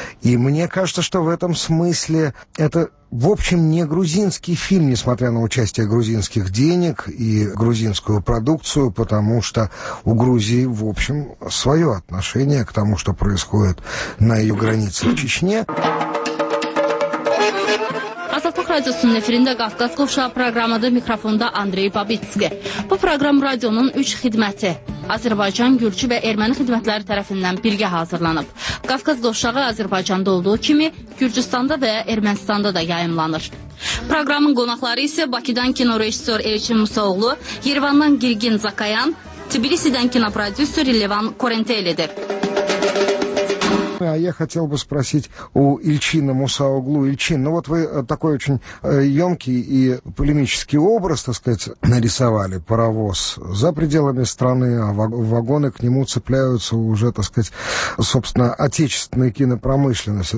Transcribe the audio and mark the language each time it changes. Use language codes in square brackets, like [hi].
[ru] И мне кажется, что в этом смысле это, в общем, не грузинский фильм, несмотря на участие грузинских денег и грузинскую продукцию, потому что у Грузии, в общем, свое отношение к тому, что происходит на ее границе в Чечне. [az] Radyosunun efirində Qafqaz Qovşağı proqramıdır, mikrofonda Andrey Babitski. Bu proqram radyonun 3 xidməti, Azərbaycan, Gürcü və Erməni xidmətləri tərəfindən birgə hazırlanıb. Qafqaz Qovşağı Azərbaycanda olduğu kimi Gürcüstanda və Ermənistanda da yayımlanır. Proqramın qonaqları isə Bakıdan kinorejissor Elçin Musaoğlu, Yervandan Girgin Zakayan, Tbilisidən kinoprodüsör Levan Korenteli-dir. [ru] А я хотел бы спросить у Ильчина Мусаоглу. Ильчин, ну вот вы такой очень емкий и полемический образ, так сказать, нарисовали. Паровоз за пределами страны, а вагоны к нему цепляются уже, так сказать, собственно, отечественной кинопромышленности.